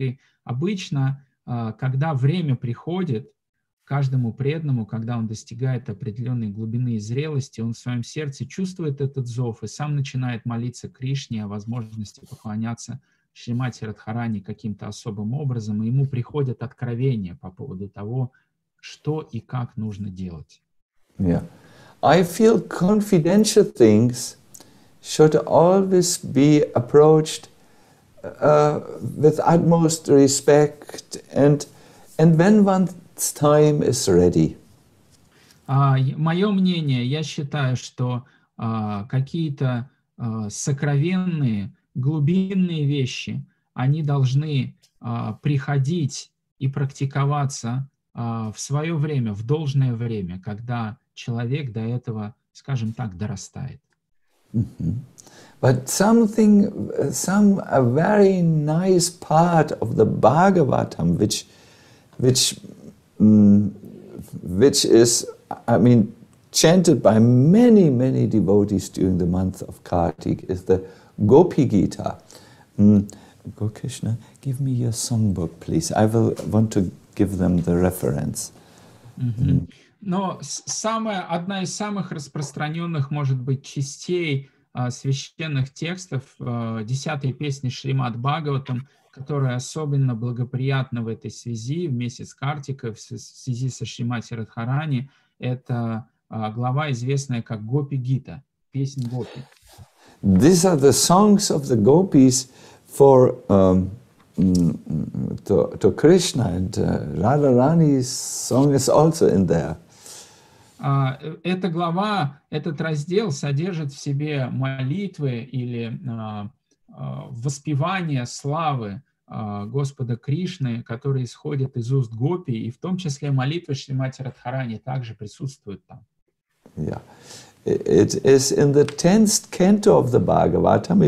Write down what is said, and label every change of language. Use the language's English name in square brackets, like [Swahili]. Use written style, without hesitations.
[Russian] И обычно, когда время приходит, каждому преданному, когда он достигает определенной глубины и зрелости, он в своем сердце чувствует этот зов и сам начинает молиться Кришне о возможности поклоняться Шримати Радхарани каким-то особым образом, и ему приходят откровения по поводу того, что и как нужно делать. [English] Yeah. I feel confidential things should always be approached with utmost respect and when one's time is ready. [Russian] Мое мнение, я считаю, что какие-то сокровенные глубинные вещи, они должны приходить и практиковаться в свое время, в должное время, когда человек до этого, скажем так, дорастает. Mm-hmm. [English] But something, a very nice part of the Bhagavatam, which is, I mean, chanted by many, many devotees during the month of Kartik, is the Gopi Gita. Gokrishna, give me your songbook, please. I will want to give them the reference. Mm-hmm. [Russian] Но одна из самых распространенных, может быть, частей священных текстов, десятой песни Шримад Бхагаватам, которая особенно благоприятна в этой связи, в месяц Картика, в связи со Шримати Радхарани, это глава, известная как Гопи Гита, песнь Гопи. [English] These are the songs of the gopis for to Krishna, and Radharani's song is also in there. [Russian] Эта глава, этот раздел содержит в себе молитвы или воспевание славы Господа Кришны, который исходит из уст гопи, и в том числе молитвы Шримати Радхарани также присутствуют там. [English] Yeah. It is in the 10th canto of the Bhagavatam.